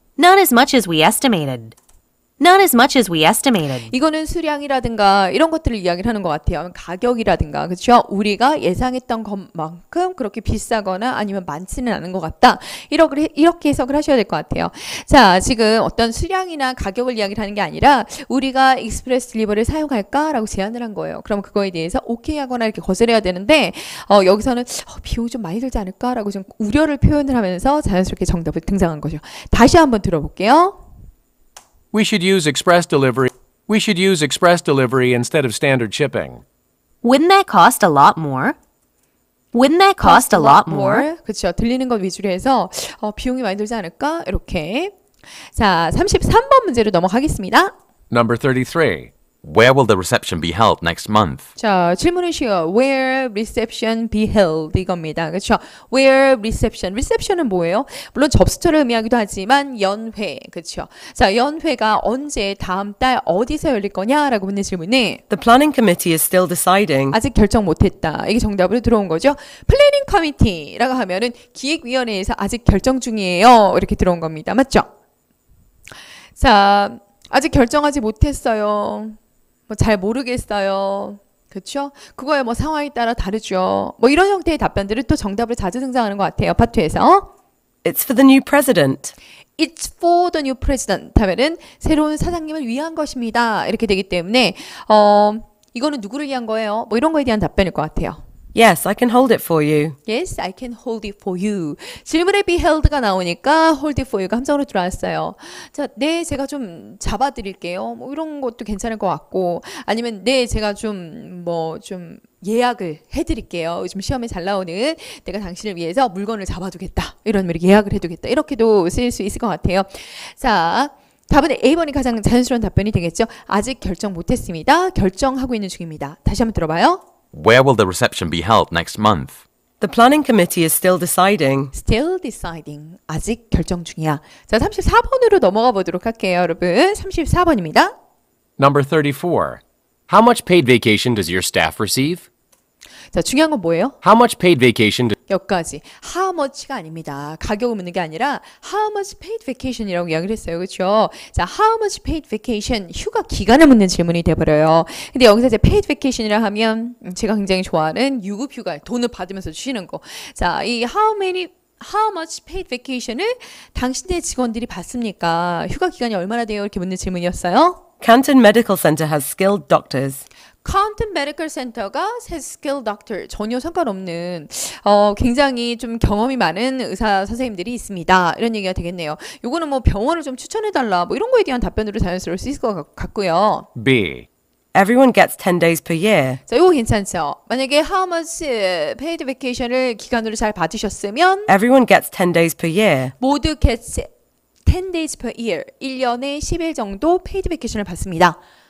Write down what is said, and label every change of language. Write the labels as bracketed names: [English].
[English] Not as much as we estimated. Not as much as we estimated. [Korean] 이거는 수량이라든가 이런 것들을 이야기를 하는 것 같아요. 가격이라든가 그렇죠? 우리가 예상했던 것만큼 그렇게 비싸거나 아니면 많지는 않은 것 같다. 이렇게 해석을 하셔야 될 것 같아요. 자, 지금 어떤 수량이나 가격을 이야기를 하는 게 아니라 우리가 express delivery를 사용할까라고 제안을 한 거예요. 그럼 그거에 대해서 오케이 하거나 이렇게 거절해야 되는데 여기서는 비용이 좀 많이 들지 않을까라고 좀 우려를 표현을 하면서 자연스럽게 정답을 등장한 거죠. 다시 한번 들어볼게요. [English] We should use express delivery. We should use express delivery instead of standard shipping. Wouldn't that cost a lot more? Wouldn't that cost a lot more? [Korean] 그렇죠. 들리는 것 위주로 해서 비용이 많이 들지 않을까? 이렇게. 자, 33번 문제로 넘어가겠습니다. [English] Number 33. Where will the reception be held next month? [Korean] 자, 질문은 쉬워. [English] Where reception be held? [Korean] 이겁니다. 그렇죠. [English] Where reception. [Korean] Reception은 뭐예요? 물론 접수처를 의미하기도 하지만 연회. 그렇죠. 자, 연회가 언제 다음 달 어디서 열릴 거냐라고 묻는 질문에 [English] The planning committee is still deciding. [Korean] 아직 결정 못했다. 이게 정답으로 들어온 거죠. Planning committee라고 하면은 기획위원회에서 아직 결정 중이에요. 이렇게 들어온 겁니다. 맞죠? 자, 아직 결정하지 못했어요. 뭐 잘 모르겠어요. 그렇죠? 그거에 뭐 상황에 따라 다르죠. 뭐 이런 형태의 답변들을 또 정답으로 자주 등장하는 것 같아요. 파트에서. [English] It's for the new president. It's for the new president. [Korean] 하면은 새로운 사장님을 위한 것입니다. 이렇게 되기 때문에 이거는 누구를 위한 거예요? 뭐 이런 거에 대한 답변일 것 같아요. [English] Yes, I can hold it for you. Yes, I can hold it for you. [Korean] 질문에 be held가 나오니까 [English] hold it for you [Korean] 가 함정으로 들어왔어요. 자, 네, 제가 좀 잡아드릴게요. 뭐 이런 것도 괜찮을 것 같고 아니면 네, 제가 좀 뭐 좀 예약을 해드릴게요. 요즘 시험에 잘 나오는 내가 당신을 위해서 물건을 잡아두겠다. 이런 의미로 예약을 해두겠다. 이렇게도 쓰일 수 있을 것 같아요. 자, 답은 A번이 가장 자연스러운 답변이 되겠죠. 아직 결정 못했습니다. 결정하고 있는 중입니다. 다시 한번 들어봐요. [English] Where will the reception be held next month? The planning committee is still deciding. Still deciding. [Korean] 아직 결정 중이야. 자, 34번으로 넘어가 보도록 할게요, 여러분. 34번입니다. [English] Number 34. How much paid vacation does your staff receive? [Korean] 자, 중요한 건 뭐예요? [English] How much paid vacation? [Korean] 여기까지. How much가 아닙니다. 가격을 묻는 게 아니라 [English] How much paid vacation [Korean] 이라고 이야기를 했어요. 그렇죠? [English] 자, How much paid vacation? [Korean] 휴가 기간을 묻는 질문이 돼버려요. 근데 여기서 이제 paid vacation이라 하면 제가 굉장히 좋아하는 유급 휴가, 돈을 받으면서 주시는 거. 자, 이 [English] How much paid vacation [Korean] 을 당신의 직원들이 받습니까? 휴가 기간이 얼마나 돼요? 이렇게 묻는 질문이었어요. [English] Canton Medical Center has skilled doctors. Canton Medical Center가 has skilled doctor. [Korean] 전혀 상관없는 굉장히 좀 경험이 많은 의사 선생님들이 있습니다. 이런 얘기가 되겠네요. 이거는 뭐 병원을 좀 추천해달라 뭐 이런 거에 대한 답변으로 자연스러울 수 있을 것 같고요. [English] B. Everyone gets 10 days per year. [Korean] 자, 이거 괜찮죠? 만약에 [English] how much paid vacation [Korean] 을 기간으로 잘 받으셨으면 [English] Everyone gets 10 days per year. [Korean] 모두 [English] gets 10 days per year. [Korean] 1년에 10일 정도 paid vacation을 받습니다.